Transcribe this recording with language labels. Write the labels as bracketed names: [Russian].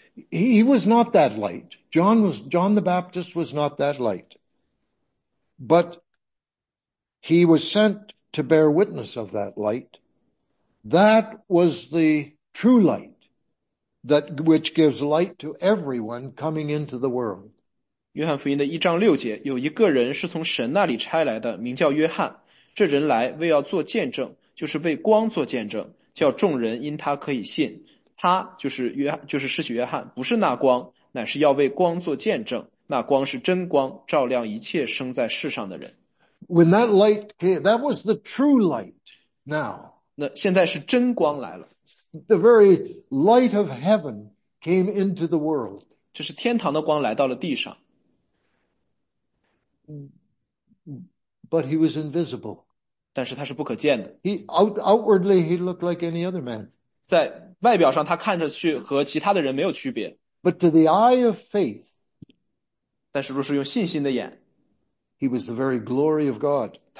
[English] He was not that light. John the Baptist was not that light. But he was sent to bear witness of that light. That was the true light, which gives light to everyone coming into the world. [Chinese] 约翰福音的一章六节，有一个人是从神那里差来的，名叫约翰。这人来为要做见证，就是为光做见证，叫众人因他可以信。他就是约翰，就是施洗约翰，不是那光，乃是要为光做见证。那光是真光，照亮一切生在世上的人。 [English] When that light came, that was the true light now. [Chinese] 那现在是真光来了， [English] The very light of heaven came into the world. [Chinese] 这是天堂的光来到了地上。 [English] But he was invisible. He outwardly he looked like any other man. [Chinese] 在外表上他看着去和其他的人没有区别。 [English] But to the eye of faith, [Chinese] 但是若是用信心的眼, [English] he was the very glory of God.